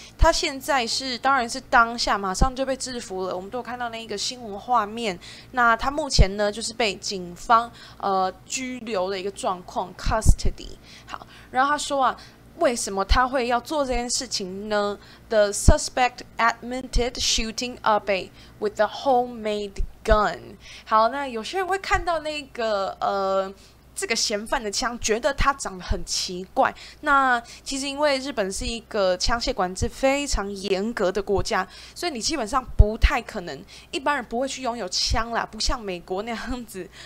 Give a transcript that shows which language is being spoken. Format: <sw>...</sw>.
<zh>他现在是当然是当下马上就被制服了，我们都有看到那一个新闻画面。那他目前呢就是被警方拘留的一个状况 custody。好，然后他说啊，为什么他会要做这件事情呢？</zh> <en>The suspect admitted shooting Abe with a homemade gun。</en> <zh>好，那有些人会看到那个这个嫌犯的枪，觉得他长得很奇怪。那其实因为日本是一个枪械管制非常严格的国家，所以你基本上不太可能，一般人不会去拥有枪啦，不像美国那样子。</zh>